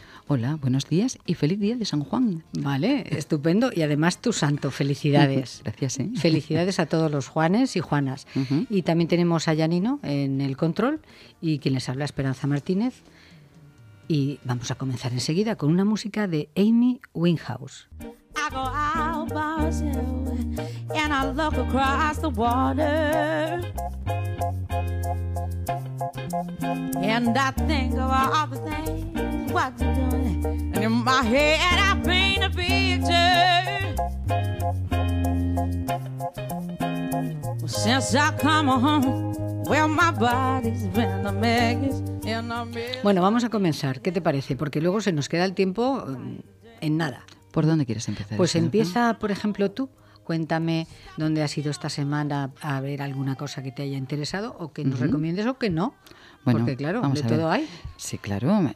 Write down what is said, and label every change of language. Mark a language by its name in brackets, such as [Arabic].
[Spanish] Hola, buenos días y feliz día de San Juan. Vale, estupendo. Y además tu santo, felicidades. Gracias, ¿eh? Felicidades a todos los Juanes y Juanas. Uh-huh. Y también tenemos a Yanino en el control y quien les habla, Esperanza Martínez. Y vamos a comenzar enseguida con una música de Amy Winehouse. [English] I go out barging and I look across the water and I think of all the things what you're doing and in my head I paint a picture. Since I come home, well, my body's been a mess. [Spanish] Bueno, vamos a comenzar. ¿Qué te parece? Porque luego se nos queda el tiempo en nada. ¿Por dónde quieres empezar? Pues empieza, por ejemplo, tú. Cuéntame dónde has ido esta semana a ver alguna cosa que te haya interesado o que nos recomiendes o que no. Bueno, porque claro, de todo hay. Sí, claro.